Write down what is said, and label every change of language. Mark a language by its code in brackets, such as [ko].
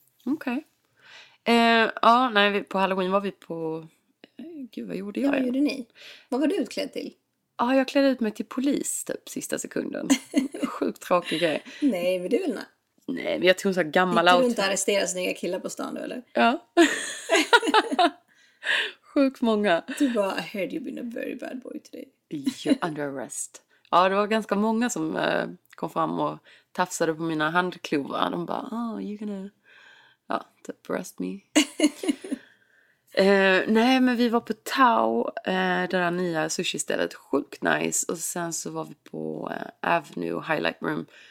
[sv] Okej. Okay. Ja, på Halloween var vi på... Gud, vad gjorde jag? Vad gjorde ni? Vad var du utklädd till? Ja, jag klädde ut mig till polis typ sista sekunden. Sjukt tråkig grej. Nej, men du vill nå. Nej, men jag tog en sån här gammal outfit. Du inte arrestera snygga killar på stan då, eller? Ja. Sjukt många. Du bara, [en] I heard you've been a very bad boy today. You're under arrest. [sv] Ja, det var ganska många som kom fram och tafsade på mina handklovar. De bara, [en] oh, you're gonna... [sv] Ja, typ [en] arrest me. [sv] nej, men vi var på Tao, det där nya sushi-stället. Sjukt nice. Och sen så var vi på Avenue Highlight Room.